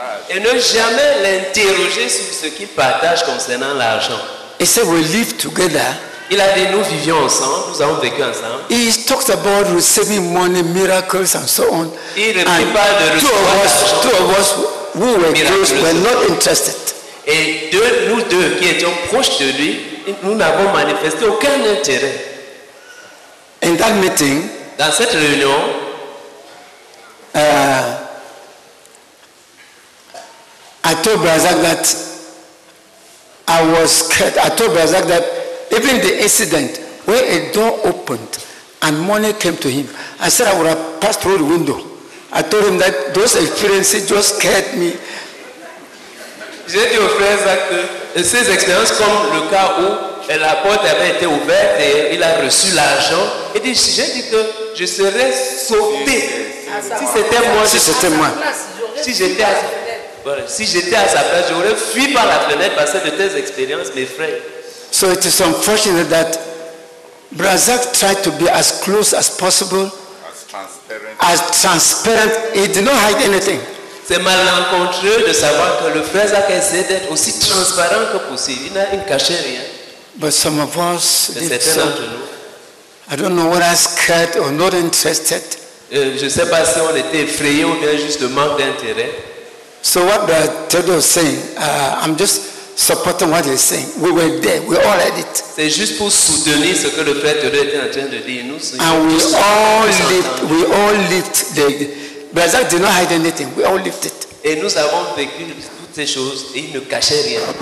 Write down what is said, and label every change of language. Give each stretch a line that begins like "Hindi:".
French: Et ne jamais l'interroger sur ce qu'il partage concernant l'argent. Et ça,
English: we live together.
French: Il a dit, nous vivions ensemble, nous avons vécu ensemble.
English: He talks about receiving money, miracles, and so on.
French: Il ne parle pas de recevoir l'argent.
English: Two of us, we were close, but not interested.
French: Et deux, nous deux, qui étions proches de lui, nous n'avons manifesté aucun intérêt.
English: In that meeting,
French: dans cette réunion,
English: I told Brazak that I was scared. I told Brazak that even the incident where a door opened and money came to him, I said I would have passed through the window. I told him that those experiences just scared me.
French: J'ai dit au frère Zach que ces expériences comme le cas où la porte avait été ouverte et il a reçu l'argent, et j'ai dit que je serais sauté si c'était moi. Si j'étais à sa place, j'aurais fui par la fenêtre parce que de telles expériences, mes frères.
English: So it is unfortunate that Brazak tried to be as close as possible, as transparent. He did not hide anything.
French: C'est malencontreux de savoir que le frère Zach essaie d'être aussi transparent que possible. Il n'a caché rien.
English: But some of us, I don't know whether scared or not interested.
French: Je ne sais pas si on était effrayé ou bien juste manque d'intérêt.
English: So what the Tedo is saying, I'm just supporting what he's saying. We were there. We all had it.
French: C'est juste pour soutenir ce que le frère Tedo était en train de dire. Nous,
English: and we all lived. Brazak did not hide anything. We all lived it.
French: Et nous avons vécu toutes ces choses et il ne cachait rien.